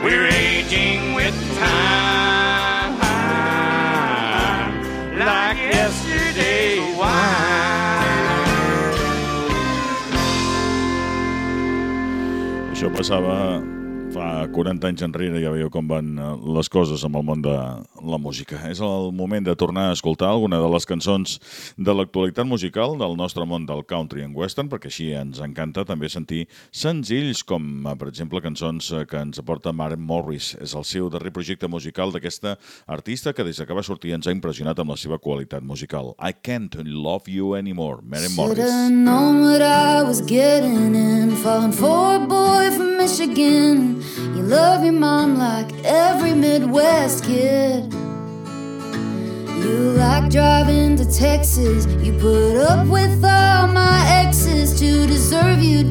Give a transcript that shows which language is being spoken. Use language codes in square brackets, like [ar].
[en] We're aging with time like yesterday's wine. [ca] Això passava fa 40 anys enrere, ja veieu com van les coses amb el món de la música. És el moment de tornar a escoltar alguna de les cançons de l'actualitat musical del nostre món del country and western, perquè així ens encanta també sentir senzills com, per exemple, cançons que ens aporta Mark Morris. És el seu darrer projecte musical d'aquesta artista que des que va sortir ens ha impressionat amb la seva qualitat musical. [en] I can't love you anymore, Mark Morris. Should've known what I was getting in, falling for a boy from Michigan. You love your mom like every Midwest kid. You like driving to Texas. You put up with all my exes to deserve you.